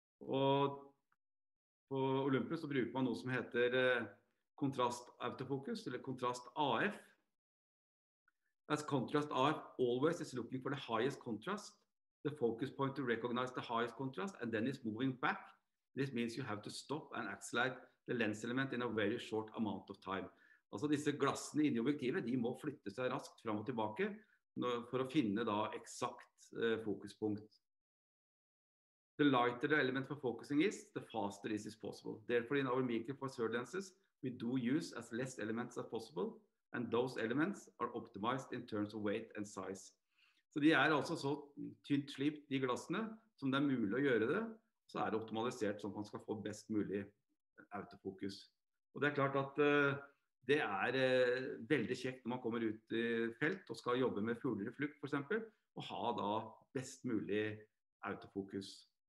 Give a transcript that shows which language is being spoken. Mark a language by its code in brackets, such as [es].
[no] Og på Olympus så bruker man noe som heter kontrast autofokus, eller kontrast AF. [en] As contrast AF always is looking for the highest contrast, the focus point to recognize the highest contrast, and then is moving back. This means you have to stop and accelerate the lens element in a very short amount of time. [no] Altså disse glassene inne i objektivet, de må flytte seg raskt fram og tilbake for å finne da eksakt fokuspunkt. [en] The lighter the element for focusing is, the faster this is possible. Therefore, in our microfocus lenses, we do use as less elements as possible, and those elements are optimized in terms of weight and size. [no] Så de altså så tynt slipt, de glassene, som det mulig å gjøre det, så det optimalisert sånn at man skal få best mulig autofokus. Og det klart at det veldig kjekt når man kommer ut i felt og skal jobbe med fugler i flukt, for eksempel, og ha da best mulig autofokus.